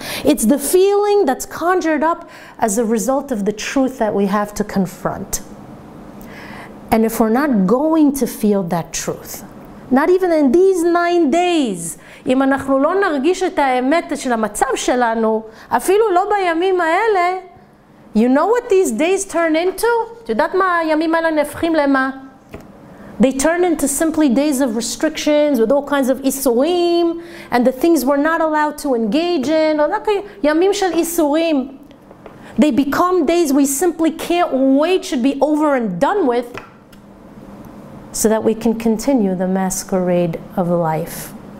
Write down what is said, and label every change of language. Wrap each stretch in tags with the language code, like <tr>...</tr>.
<en>It's the feeling that's conjured up as a result of the truth that we have to confront. And if we're not going to feel that truth, not even in these 9 days,</en> <he>אם אנחנו לא נרגיש את האמת של המצב שלנו, אפילו לא בימים האלה,</he> <en>you know what these days turn into?</en> <he>את יודעת מה הימים האלה נהפכים למה?</he> <en>They turn into simply days of restrictions with all kinds of איסורים and the things we're not allowed to engage in.</en> <he>ימים של איסורים.</he> <en>They become days we simply can't wait should be over and done with so that we can continue the masquerade of life.</en>